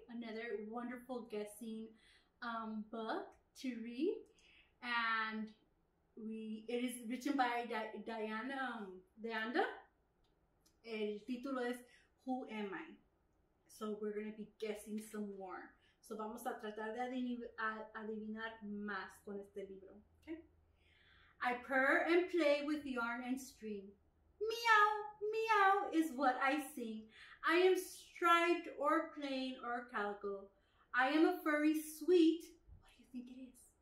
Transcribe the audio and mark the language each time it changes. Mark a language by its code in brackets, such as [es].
[en] Another wonderful guessing book to read. And it is written by Diane de Anda. [es] El título es [en] Who Am I? So we're going to be guessing some more. [es] So vamos a tratar de adivinar más con este libro. [en] Okay. I purr and play with yarn and string. Meow, meow is what I sing. I am striped or plain or calico. I am a furry sweet. What do you think it is?